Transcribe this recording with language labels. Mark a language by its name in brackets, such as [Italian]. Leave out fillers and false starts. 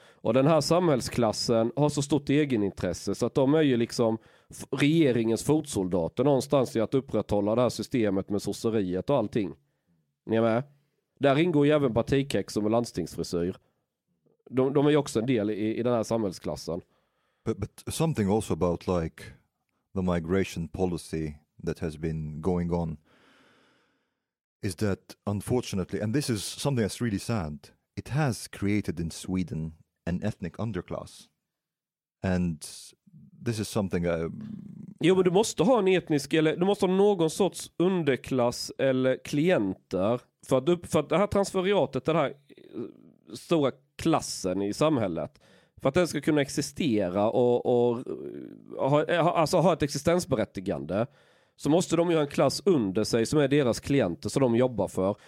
[Swedish] Och den här samhällsklassen har så stort egenintresse så att de är ju liksom... regeringens fotsoldater någonstans i att upprätthålla det här systemet med sosseriet och allting. Ni är med? Där ingår ju även partikex som landstingsfrisyr. De är ju också en del i den här samhällsklassen. [English] But something also about like the migration policy that has been going on is that unfortunately, and this is something that's really sad, it has created in Sweden an ethnic underclass. And this is something [Swedish] Jo, men du måste ha en etnisk eller du måste ha någon sorts underklass eller klienter för att det här transferiatet, den här stora klassen i samhället, för att den ska kunna existera och ha ett existensberättigande, så måste de ju ha en klass under sig som är deras klienter som de jobbar för.